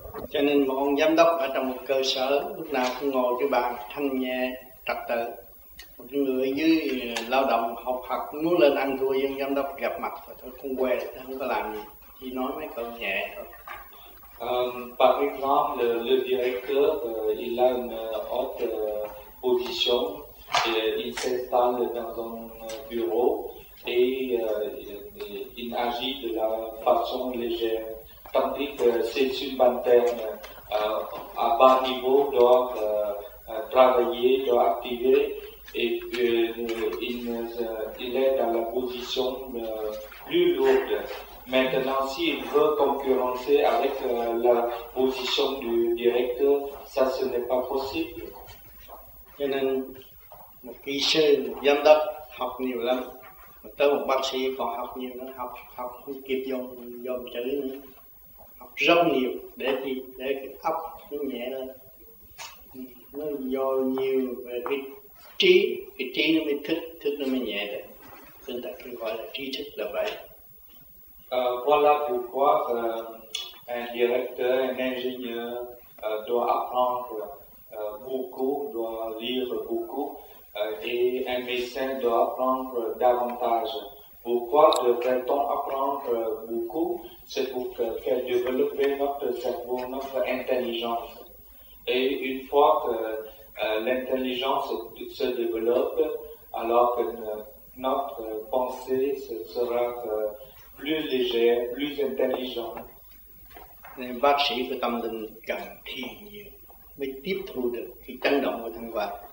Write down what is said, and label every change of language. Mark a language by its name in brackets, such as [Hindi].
[Vietnamese] Cho nên một ông giám đốc ở trong một cơ sở lúc nào cũng ngồi cái bàn thanh nhẹ trật tự, một người dưới lao động học hành muốn lên ăn thua nhưng giám đốc gặp mặt thôi, không quen không có làm gì, chỉ nói mấy câu nhẹ thôi. [French] Par exemple, le directeur, il a une haute position et il s'installe dans un bureau et il agit de la façon légère. Tandis que ses subalternes à bas niveau doivent travailler, doivent activer et il est dans la position plus lourde. Maintenant, s'il veut concurrencer avec la position du directeur, ça ce n'est pas possible. [Vietnamese] Cho nên một kỹ sư, một giám đốc học nhiều lắm, mà tới một bác sĩ còn học nhiều lắm, học không kịp dòng chữ nữa, học rất nhiều để thì để cái óc nó nhẹ lên, nó do nhiều về cái trí nó mới thức nó mới nhẹ được. Chúng ta cứ gọi là trí thức là vậy. [French] Voilà pourquoi un directeur, un ingénieur doit apprendre beaucoup, doit lire beaucoup, et un médecin doit apprendre davantage. Pourquoi devrait-on apprendre beaucoup? C'est pour faire développer notre cerveau, notre intelligence. Et une fois que l'intelligence se développe, alors que notre pensée sera plus léger, plus intelligent. [Vietnamese] Nên bác sĩ của tâm linh cần thiền nhiều mới tiếp thu được cái chấn động của thân vật.